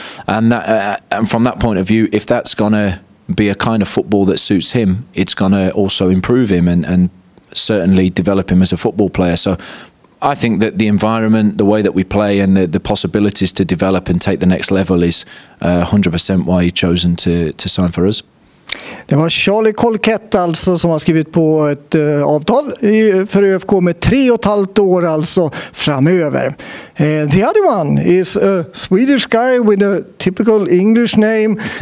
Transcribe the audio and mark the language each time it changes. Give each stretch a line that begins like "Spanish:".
English: And that, and from that point of view, if that's going to be a kind of football that suits him, it's going to also improve him and certainly develop him as a football player. So I think that the environment, the way that we play, and the possibilities to develop and take the next level is 100% why he's chosen to sign for us.
Swedish: Det var Charlie Colquette alltså som har skrivit på ett avtal för ÖFK med 3,5 år alltså framöver.
English: The other one is a Swedish guy with a typical English name.